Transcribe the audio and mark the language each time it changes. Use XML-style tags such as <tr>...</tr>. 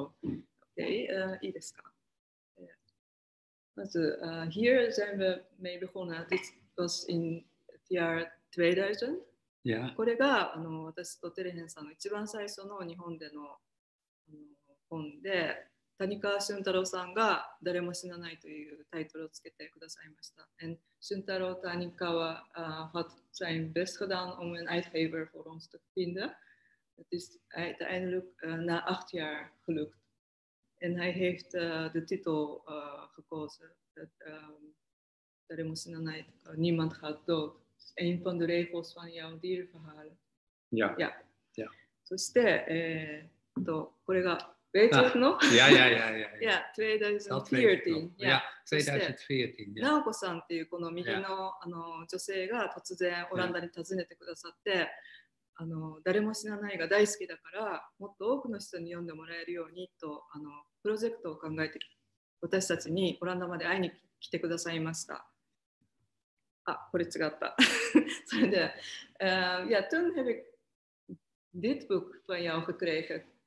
<nl>Oké, Iriska. Hier zijn we mee begonnen. Dit was in het jaar 2000. Ja.</nl> <ja>これがあの私とテレヘンさんの一番最初の日本での本で、谷川俊太郎さんが誰も死なないというタイトルをつけてくださいました。</ja> <nl>And 俊太郎と谷川は、had zijn best gedaan om een uitgever voor ons te vinden. Het is uiteindelijk na 8 jaar gelukt. En hij heeft de titel gekozen. Dat,</nl> <ja>誰も死なない、</ja> <nl>niemand gaat dood. Dat is een van de regels van jouw dierenverhalen. Ja. Ja. Ja.</nl> <ja>そして、これが</ja> <nl>Weet je het nog? Ja, 2014. Ja, 2014. Ja.</nl> <ja>Naoko-san っていうこの右の、あの、女性が突然オランダに訪ねてくださって、あの、誰も死なないが大好きだから、もっと多くの人に読んでもらえるようにと、あの、プロジェクトを考えて、私たちにオランダまで会いに来てくださいました。あ、これ違った。</ja> <nl>それで、ja, toen heb ik dit boek van jou gekregen.</nl>